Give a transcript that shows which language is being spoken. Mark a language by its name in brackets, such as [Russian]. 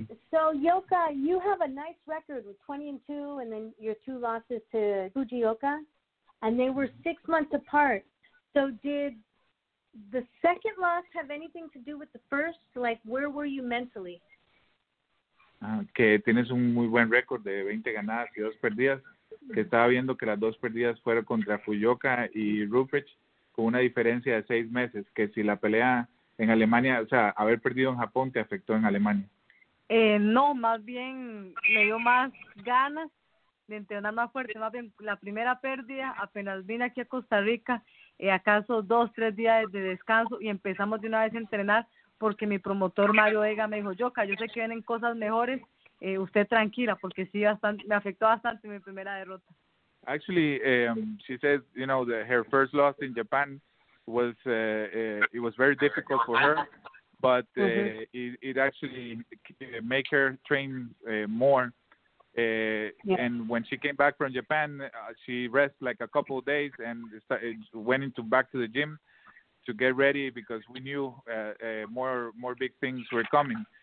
[English] So Yoka, you have a nice record with 20-2, and then your 2 losses to Fujioka, and they were 6 months apart. So did the second loss have anything to do with the first? Like, where were you mentally? [Spanish] Que tienes un muy buen récord de 20 ganadas y 2 perdidas. Que estaba viendo que las 2 perdidas fueron contra Fujioka y Rupert con una diferencia de 6 meses. Que si la pelea en Alemania, o sea, haber perdido en Japón, ¿te afectó en Alemania? No, más bien me dio más ganas de entrenar más fuerte. Más bien la primera pérdida, apenas vine aquí a Costa Rica, acaso 2-3 días de descanso y empezamos de una vez a entrenar, porque mi promotor Mario Vega me dijo, Yoka, yo sé que vienen cosas mejores, usted tranquila, porque sí, bastante, me afectó bastante mi primera derrota. [English] Actually, she said, you know, that her first loss in Japan was, it was very difficult for her, but it actually make her train more. Yeah. And when she came back from Japan, she rested like a couple of days and went back to the gym to get ready, because we knew more big things were coming.